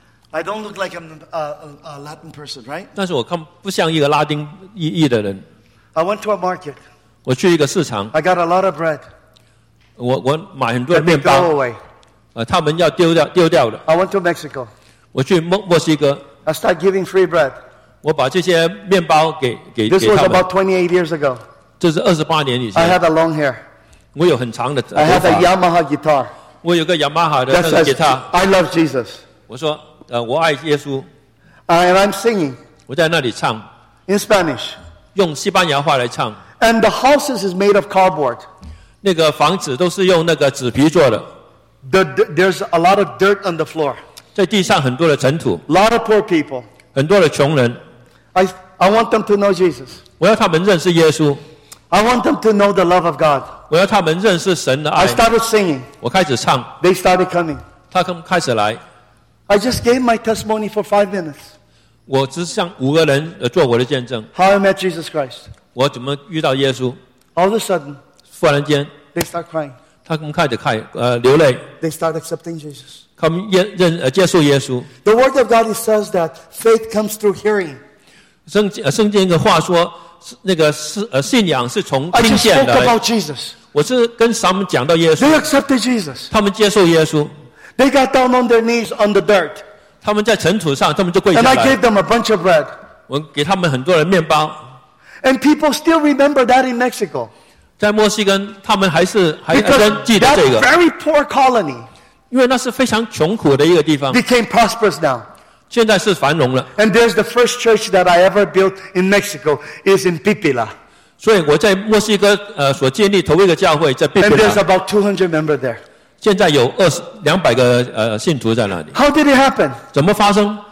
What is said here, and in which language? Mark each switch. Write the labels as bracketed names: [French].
[English] I don't look like I'm a Latin person, right? [Chinese] 但是我看不像一个拉丁裔的人。 [English] I went to a market. [Chinese] 我去一个市场。 [English] I got a lot of bread. [Chinese] 我买很多面包， [English] away. [Chinese] 他们要丢掉的。 [English] I went to Mexico. [Chinese] 我去墨西哥。 [English] I start giving free bread. [Chinese] 我把这些面包给他们。 [English] This was about 28 years ago. [Chinese] 这是28年以前。 [English] I had a long hair. [Chinese] 我有很长的头发。 [English] I had a Yamaha guitar. [Chinese] 我有个雅马哈的吉他。 [English] I love Jesus. [Chinese] 我说， 我爱耶稣。 [English] And I'm singing. [Chinese] 我在那里唱。 [English] In Spanish. [Chinese] 用西班牙话来唱。 [English] And the houses is made of cardboard. [Chinese] 那个房子都是用那个纸皮做的。 [English] There's a lot of dirt on the floor. [Chinese] 在地上很多的尘土。 [English] A lot of poor people. [Chinese] 很多的穷人。 [English] I want them to know Jesus. [Chinese] 我要他们认识耶稣。 [English] I want them to know the love of God. [Chinese] 我要他们认识神的爱。 [English] I started singing. [Chinese] 我开始唱。 [English] They started coming. [Chinese] 他们开始来。 [English] I just gave my testimony for 5 minutes. [Chinese] 我只向5个人做我的见证。 [English] How I met Jesus Christ. [Chinese] 我怎么遇到耶稣。 [English] All of a sudden, [Chinese] 突然间, [English] they start crying. [Chinese] 他们开始开, 流泪。 [English] They start accepting Jesus. [Chinese] 他们接受耶稣。 [English] The word of God says that faith comes through hearing. [Chinese] 圣经的话说, 信仰是从听见来。 [English] I just spoke about Jesus. [Chinese] 我是跟他们讲到耶稣。 [English] They accepted Jesus. [Chinese] 他们接受耶稣。 [English] They got down on their knees on the dirt. [Chinese] 他们在尘土上, 他们就跪下来。 [English] And I gave them a bunch of bread. [Chinese] 我给他们很多的面包。 [English] And people still remember that in Mexico. [Chinese] 在墨西哥, 他们还记得这个。 [English] That very poor colony, [Chinese] 因为那是非常穷苦的一个地方, [English] became prosperous now. [Chinese] 现在是繁荣了。 [English] And there's the first church that I ever built in Mexico is in Pipila. [Chinese] 所以我在墨西哥, 所建立头一个教会, 在Pipila。 [English] And there's about 200 members there. [Chinese] 现在有200个, 信徒在那里。 [English] How did it happen? [Chinese] 怎么发生?